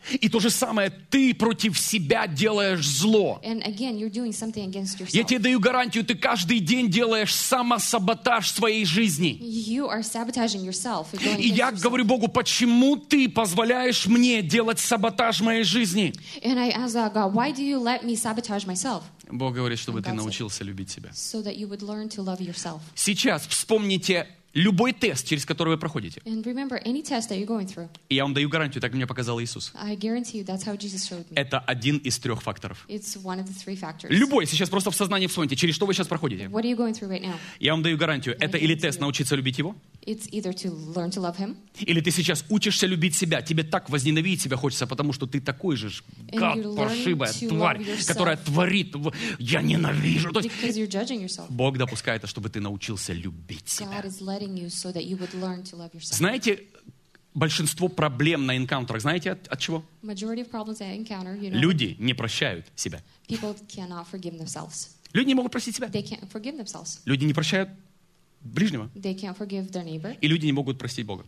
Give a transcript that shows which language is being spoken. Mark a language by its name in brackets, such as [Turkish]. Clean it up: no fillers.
[Russian] И то же самое, ты против себя делаешь зло. [English] And again, you're doing something against yourself. [Russian] Я тебе даю гарантию, ты каждый день делаешь самосаботаж своей жизни. [English] You are sabotaging yourself. You're going [Russian] и я [English] yourself. [Russian] Говорю Богу, почему ты позволяешь мне делать саботаж моей жизни? [English] And I ask God, why do you let me sabotage myself? [Russian] Бог говорит, чтобы ты научился любить себя. [English] So that you would learn to love yourself. [Russian] Сейчас вспомните любой тест, через который вы проходите. [English] And remember any test that you're going through. [Russian] И я вам даю гарантию, так мне показал Иисус. [English] I guarantee you, that's how Jesus showed me. [Russian] Это один из трех факторов. [English] It's one of the three factors. [Russian] Любой, сейчас просто в сознании вспомните, через что вы сейчас проходите. [English] What are you going through right now? [Russian] Я вам даю гарантию, это или тест научиться любить его. [English] It's either to learn to love him. [Russian] Или ты сейчас учишься любить себя. Тебе так возненавидеть себя хочется, потому что ты такой же гад, паршивая тварь, которая творит. Я ненавижу. То есть, [English] because you're judging yourself. [Russian] Бог допускает это, чтобы ты научился любить себя. [English] God is letting you so that you would learn to love yourself. [Russian] Знаете, большинство проблем на энкаунтерах, знаете от чего? [English] Majority of problems I encounter, you know, [Russian] люди не прощают себя. [English] People cannot forgive themselves. [Russian] Люди не могут простить себя. [English] They can't forgive themselves. [Russian] Люди не прощают ближнего. [English] They can't forgive their neighbor. [Russian] И люди не могут простить Бога.